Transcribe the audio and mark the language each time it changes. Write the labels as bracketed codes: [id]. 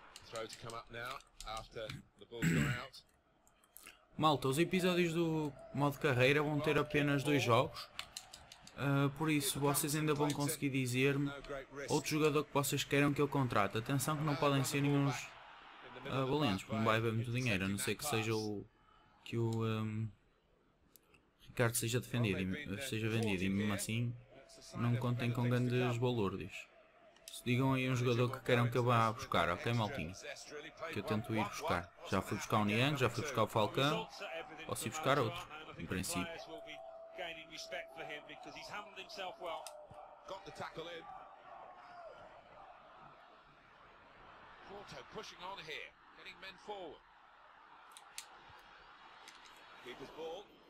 [en] Throw to come up now after the ball's gone out. [pt] Malta, os episódios do modo carreira vão ter apenas dois jogos. Por isso, vocês ainda vão conseguir dizer-me outro jogador que vocês queiram que eu contrate. Atenção que não podem ser nenhum valentes, porque não vai haver muito dinheiro, a não ser que seja o que o Ricardo seja defendido, seja vendido, e mesmo assim não contem com grandes balúrdios. Se digam aí um jogador que queiram que eu vá buscar, ok, maltinho? Que eu tento ir buscar. Já fui buscar o Niang, já fui buscar o Falcão, posso ir buscar outro, em princípio. [en] Gaining respect for him because he's handled himself well. Got the tackle in. Porto pushing on here, getting men forward. Keeper's ball.